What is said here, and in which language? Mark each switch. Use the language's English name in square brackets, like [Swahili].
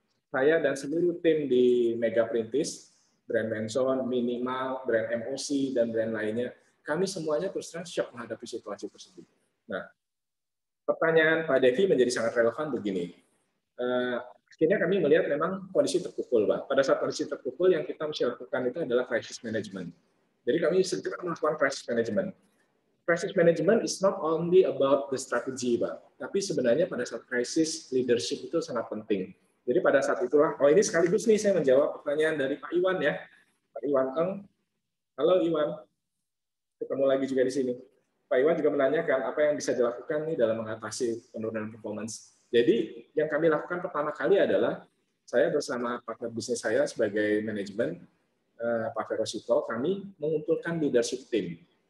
[Indonesian] Saya dan seluruh tim di Mega Printis, brand Benson, Minimal, brand MOC, dan brand lainnya, kami semuanya terus terang shock menghadapi situasi tersebut. Nah, pertanyaan Pak Devi menjadi sangat relevan begini. Akhirnya kami melihat memang kondisi terpukul, Pak. Pada saat kondisi terpukul, yang kita mesti lakukan itu adalah crisis management. Jadi kami segera melakukan crisis management. [English] Crisis management is not only about the strategy, Pak. [Indonesian] Tapi sebenarnya pada saat crisis, leadership itu sangat penting. Jadi pada saat itulah, oh ini sekaligus nih saya menjawab pertanyaan dari Pak Iwan ya. Pak Iwan Eng. Halo Iwan. Ketemu lagi juga di sini. Pak Iwan juga menanyakan apa yang bisa dilakukan nih dalam mengatasi penurunan performance. Jadi yang kami lakukan pertama kali adalah saya bersama partner bisnis saya sebagai manajemen Pak Ferosito, kami mengumpulkan [English] leadership team.